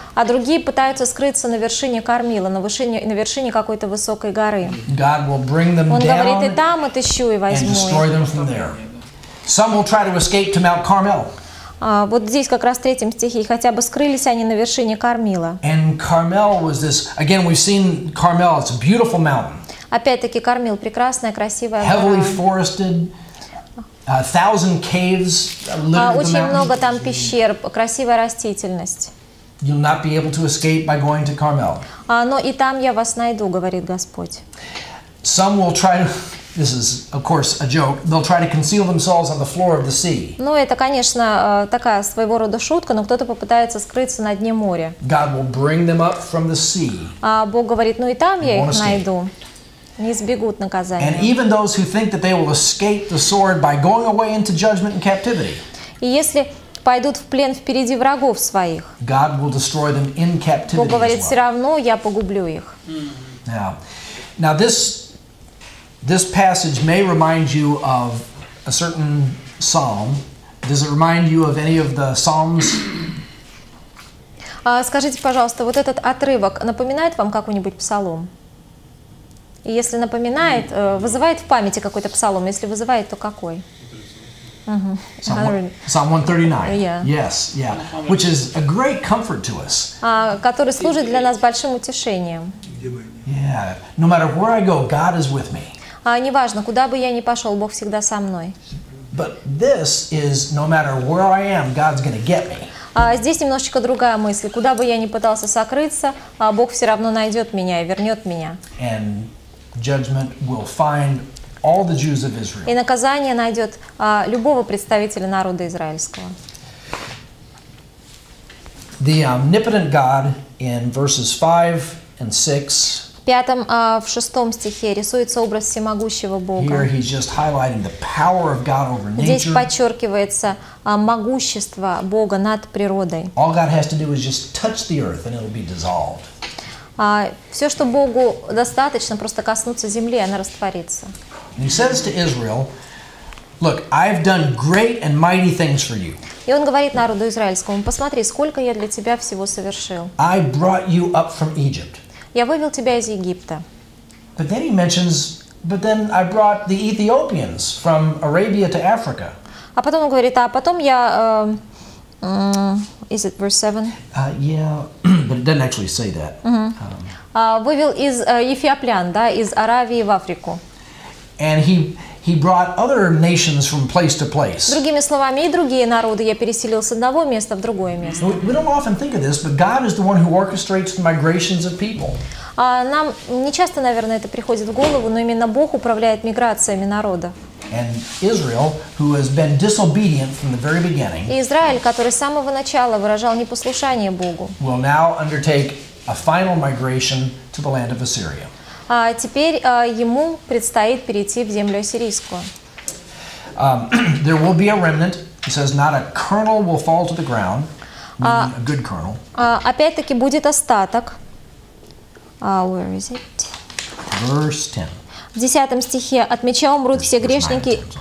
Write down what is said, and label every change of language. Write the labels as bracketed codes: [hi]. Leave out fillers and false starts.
[ru] А другие пытаются скрыться на вершине Кармила, на вершине какой-то высокой горы. [en] God will bring them down. [ru] Он говорит: и там отыщу и возьму. [en] And destroy them from there. Some will try to escape to Mount Carmel. [ru] Вот здесь как раз в третьем стихе, хотя бы скрылись они на вершине Кармила. [en] And Carmel was this, again, we've seen Carmel, it's a beautiful mountain. [ru] Опять-таки Кармил, прекрасная, красивая. [en] Heavily forested, a thousand caves. [ru] Очень много там пещер, красивая растительность. [en] You'll not be able to escape by going to Carmel. [ru] Но и там я вас найду, говорит Господь. [en] Some will try to... This is, of course, a joke. They'll try to conceal themselves on the floor of the sea. [ru] Ну, это, конечно, такая своего рода шутка, но кто-то попытается скрыться на дне моря. [en] God will bring them up from the sea. [ru] Бог говорит: ну и там я их найду. Не сбегут наказания. [en] And even those who think that they will escape the sword by going away into judgment and captivity. [ru] И если пойдут в плен впереди врагов своих. [en] God will destroy them in captivity. [ru] Бог говорит: все равно я погублю их. [en] Now this passage may remind you of a certain psalm. Does it remind you of any of the psalms? [ru] Скажите, пожалуйста, вот этот отрывок напоминает вам какой-нибудь псалом? И если напоминает, вызывает в памяти какой-то псалом? Если вызывает, то какой? [en] Psalm 139. Yes, yeah. Which is a great comfort to us. [ru] Который служит для нас большим утешением. [en] Yeah. No matter where I go, God is with me. [ru] Неважно, куда бы я ни пошел, Бог всегда со мной. [en] But this is, no matter where I am, God's gonna get me. [ru] Здесь немножечко другая мысль. Куда бы я ни пытался сокрыться, Бог все равно найдет меня и вернет меня. [en] And judgment will find all the Jews of Israel. [ru] И наказание найдет любого представителя народа израильского. [en] The omnipotent God in verses 5 and 6. [ru] В шестом стихе рисуется образ всемогущего Бога. [en] Here he's just highlighting the power of God over nature. [ru] Здесь подчеркивается могущество Бога над природой. [en] All God has to do is just touch the earth and it'll be dissolved. [ru] Все, что Богу достаточно, просто коснуться земли, она растворится. [en] And he says to Israel, look, I've done great and mighty things for you. [ru] И он говорит народу израильскому, посмотри, сколько я для тебя всего совершил. [en] I brought you up from Egypt. [ru] Я вывел тебя из Египта. [en] But then he mentions, but then I brought the Ethiopians from Arabia to Africa. [ru] А потом он говорит, а потом я, [en] is it verse 7? Yeah, but it doesn't actually say that. [ru] Вывел из Ефиоплян, да, из Аравии в Африку. [en] And he brought other nations from place to place. [ru] Другими словами, и другие народы я переселил с одного места в другое место. [en] We don't often think of this, but God is the one who orchestrates the migrations of people. [ru] Нам не часто, наверное, это приходит в голову, но именно Бог управляет миграциями народа. [en] And Israel, who has been disobedient from the very beginning, [ru] Израиль, который с самого начала выражал непослушание Богу, [en] will now undertake a final migration to the land of Assyria. [ru] Теперь ему предстоит перейти в землю ассирийскую. [en] There will be a remnant. He says, not a kernel will fall to the ground. A good kernel. [ru] Опять-таки будет остаток. [en] Where is it? Verse 10. [ru] В 10 стихе. От меча умрут все грешники.